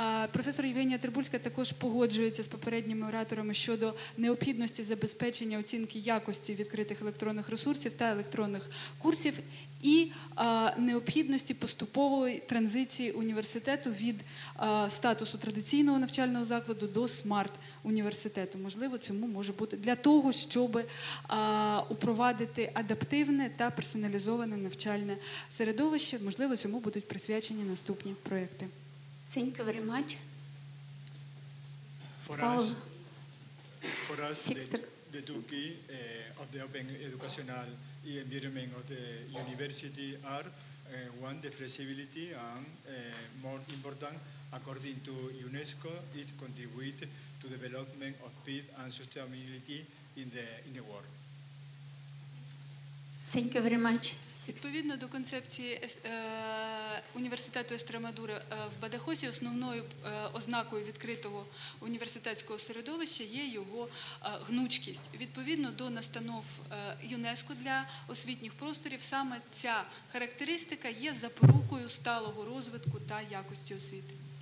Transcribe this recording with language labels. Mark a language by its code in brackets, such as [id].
[uk] Професор Євгенія Трибульська також погоджується з попередніми ораторами щодо необхідності забезпечення оцінки якості відкритих електронних ресурсів та електронних курсів і необхідності поступової транзиції університету від статусу традиційного навчального закладу до смарт-університету. Можливо, цьому може бути для того, щоб упровадити адаптивне та персоналізоване навчальне середовище. Можливо, цьому будуть присвячені наступні проекти. [en] Thank you very much. For us the two key of the open educational environment of the university are one, the flexibility, and more important, according to UNESCO, it contributes to the development of peace and sustainability in the world. Thank you very much. [uk] Відповідно до концепції університету Естремадури в Бадахосі, основною ознакою відкритого університетського середовища є його гнучкість. Відповідно до настанов ЮНЕСКО для освітніх просторів, саме ця характеристика є запорукою сталого розвитку та якості освіти.